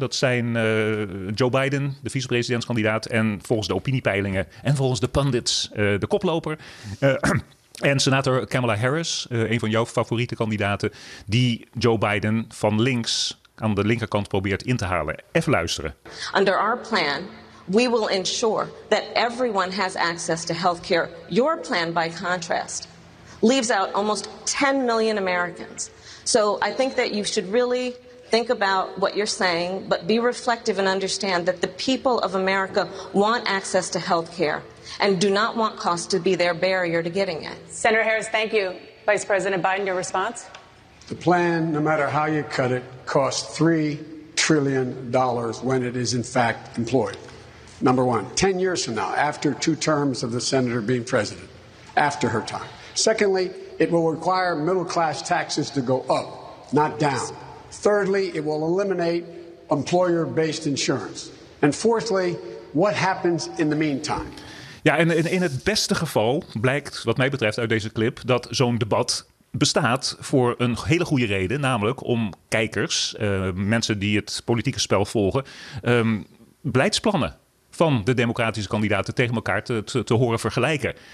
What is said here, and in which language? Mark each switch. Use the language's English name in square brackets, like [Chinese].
[Dutch] Dat zijn Joe Biden, de vicepresidentskandidaat. En volgens de opiniepeilingen en volgens de pundits de koploper. En senator Kamala Harris, een van jouw favoriete kandidaten. Die Joe Biden van links aan de linkerkant probeert in te halen. Even luisteren. [English] Under our plan, we will ensure that everyone has access to healthcare. Your plan, by contrast, leaves out almost 10 million Americans. So I think that you should really think about what you're saying, but be reflective and understand that the people of America want access to healthcare and do not want costs to be their barrier to getting it. Senator Harris, thank you. Vice President Biden, your response? The plan, no matter how you cut it, costs $3 trillion when it is in fact employed. Number one, 10 years from now, after two terms of the senator being president, after her time. Secondly, it will require middle class taxes to go up, not down. Thirdly, it will eliminate employer-based insurance. And fourthly, what happens in the meantime? [Dutch] Ja, en in het beste geval blijkt, wat mij betreft, uit deze clip dat zo'n debat bestaat voor een hele goede reden, namelijk om kijkers, mensen die het politieke spel volgen, beleidsplannen van de democratische kandidaten tegen elkaar te horen vergelijken.